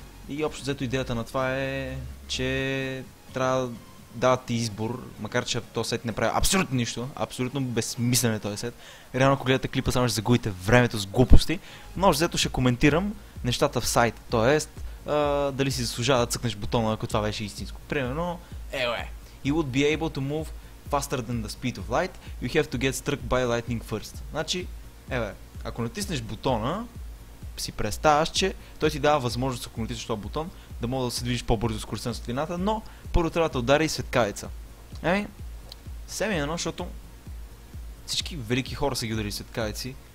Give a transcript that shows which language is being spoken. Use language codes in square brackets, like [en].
[bg] И общо взето идеята на това е, че трябва да дадат избор, макар че този сет не прави абсолютно нищо, абсолютно безсмислен е този сет. Реално, ако гледате клипа, само ще загубите времето с глупости. Но общо взето ще коментирам нещата в сайт, т.е. дали си заслужава да цъкнеш бутона, ако това беше истинско. Примерно, [en] You would be able to move faster than the speed of light, you have to get struck by lightning first. [bg] Значи, ако натиснеш бутона, си представяш, че той ти дава възможност, ако натиснеш този бутон, да може да се движиш по-бързо скоростта на светлината, но първо трябва да удари и светкавица. Семи едно, защото всички велики хора са ги удари светкавици.